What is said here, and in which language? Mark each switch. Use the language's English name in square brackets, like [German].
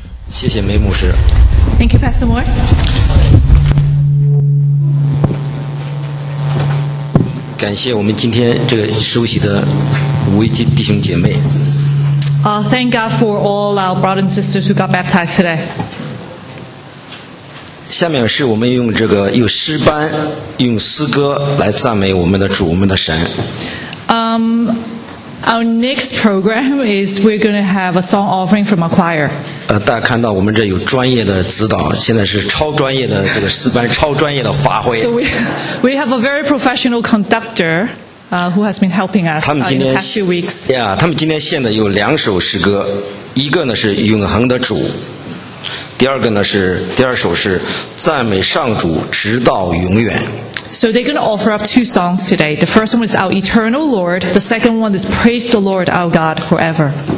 [English] Thank you, Pastor Moore. Thank God for all our brothers and sisters who got baptized today. [Chinese] 下面是我们用这个用诗班用诗歌来赞美我们的主我们的神。 [English] Our next program is we're going to have a song offering from our choir. [Chinese] 大家看到我们这有专业的指导，现在是超专业的这个诗班，超专业的发挥。 [English] So we have a very professional conductor, who has been helping us in the past few weeks. [Chinese] Yeah, 他们今天献的有两首诗歌，一个呢是永恒的主，第二首是赞美上主直到永远。 [English] So they're going to offer up two songs today. The first one is Our Eternal Lord. The second one is Praise the Lord, Our God, Forever.